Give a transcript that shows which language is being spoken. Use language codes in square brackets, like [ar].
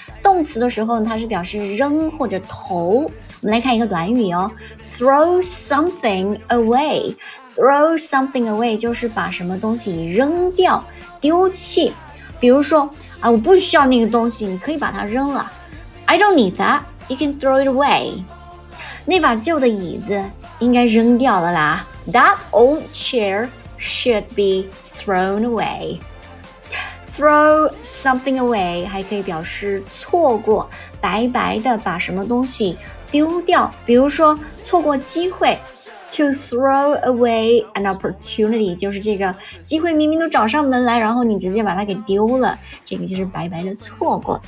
[zh] 动词的时候呢，它是表示扔或者投。我们来看一个短语哦 ， [en] throw something away， throw something away [zh] 就是把什么东西扔掉、丢弃。比如说啊，我不需要那个东西，你可以把它扔了。 [en] I don't need that. You can throw it away. [zh] 那把旧的椅子应该扔掉了啦。 [en] That old chair should be thrown away. Throw something away [zh] 还可以表示错过，白白的把什么东西丢掉。比如说错过机会。 [en] To throw away an opportunity [zh] 就是这个机会明明都找上门来，然后你直接把它给丢了，这个就是白白的错过。